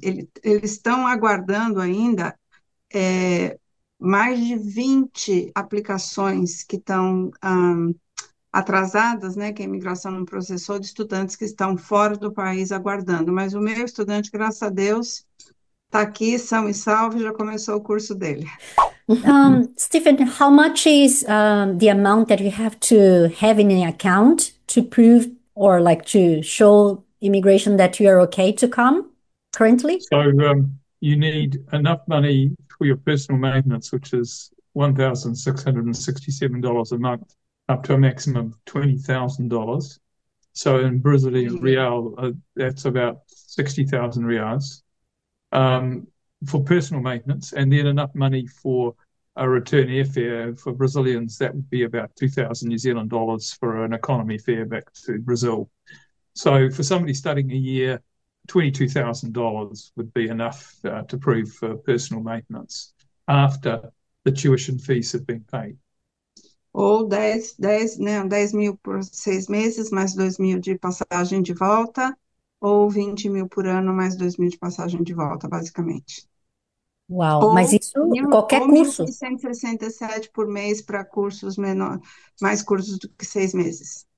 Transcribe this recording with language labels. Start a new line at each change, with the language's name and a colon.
Portuguese: Eles estão aguardando ainda mais de 20 aplicações que estão atrasadas, né? Que a imigração não processou, de estudantes que estão fora do país aguardando. Mas o meu estudante, graças a Deus, está aqui, são e salvo, já começou o curso dele.
English: Stephen, how much is the amount that you have to have in an account to prove or like to show immigration that you are okay to come currently? So you need enough money for your personal maintenance, which is $1,667 a month, up to a maximum of $20,000. So in Brazilian real, that's about 60,000 reais for personal maintenance, and then enough money for a return airfare for Brazilians. That would be about 2,000 New Zealand dollars for an economy fare back to Brazil. So for somebody studying a year, $22,000 would be enough to prove for personal maintenance after the tuition fees have been paid.
Portuguese: Ou 10, né, 10 mil por 6 meses, mais 2 mil de passagem de volta, ou 20 mil por ano, mais 2 mil de passagem de volta, basicamente. Uau, mas Ou isso qualquer curso. 1.667 por mês para cursos menor, mais cursos do que 6 meses.